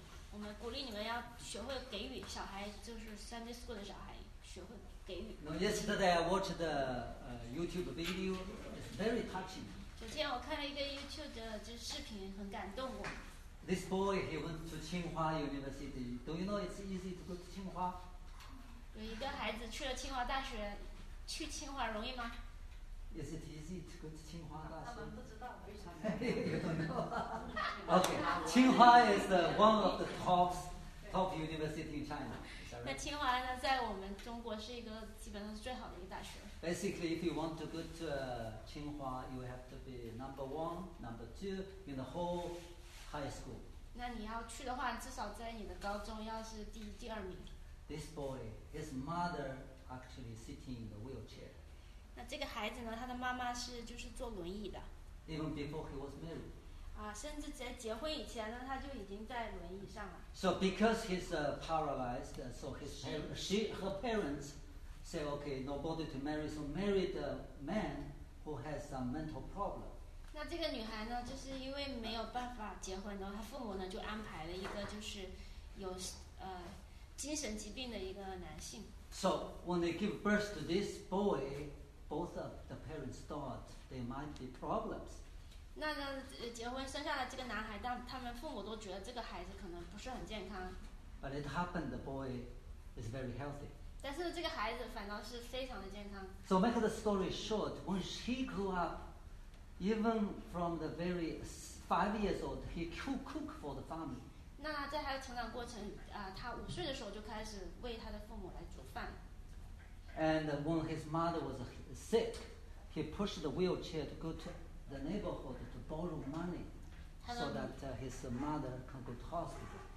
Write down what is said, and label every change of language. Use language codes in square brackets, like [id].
[zh] 我们鼓励你们要学会给予，小孩就是 Sunday school 的小孩学会给予。 [en] No, yesterday I watched the YouTube video. It's very touching. [zh] 昨天我看了一个 YouTube 的这视频，很感动我。 [en] This boy, he went to Tsinghua University. Do you know it's easy to go to Tsinghua? [zh] 有一个孩子去了清华大学，去清华容易吗？ [en] Is it easy to go to Tsinghua? [zh] 他们不知道，非常。 [en] You don't know. Okay, Tsinghua is one of the top university in China. [zh] 那清华呢，在我们中国是一个基本上是最好的一个大学。 [en] Basically, if you want to go to Tsinghua, you have to be number one, number two in the whole high school. [zh] 那你要去的话，至少在你的高中要是第二名。 [en] This boy, his mother actually sitting in the wheelchair. [zh] 那这个孩子呢，他的妈妈是就是坐轮椅的。 [en] Even before he was married. [zh] 啊，甚至在结婚以前呢，他就已经在轮椅上了。 [en] So because he's paralyzed, so her parents say, okay, nobody to marry, so marry the man who has some mental problem. [zh] 那这个女孩呢，就是因为没有办法结婚呢，她父母呢就安排了一个就是有精神疾病的一个男性。 [en] So when they give birth to this boy. Both of the parents thought there might be problems. [zh] 那呢，结婚生下了这个男孩，但他们父母都觉得这个孩子可能不是很健康。 [en] But it happened, the boy is very healthy. [zh] 但是这个孩子反倒是非常的健康。 [en] So make the story short. When he grew up, even from the very 5 years old, he cook for the family. [zh] 那在他的成长过程，他五岁的时候就开始为他的父母来煮饭。 [en] And when his mother was sick, he pushed the wheelchair to go to the neighborhood to borrow money so that his mother can go to hospital.